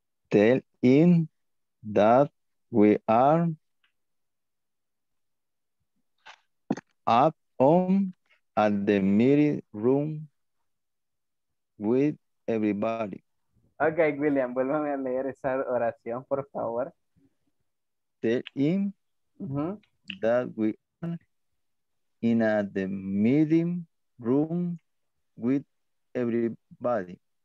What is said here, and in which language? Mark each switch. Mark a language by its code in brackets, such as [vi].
[en] Tell him that we are up on at the meeting room with everybody. [es] Okay, William, vuélvame a leer esa oración, por favor. [en] Tell him that we are in at the meeting room with everybody.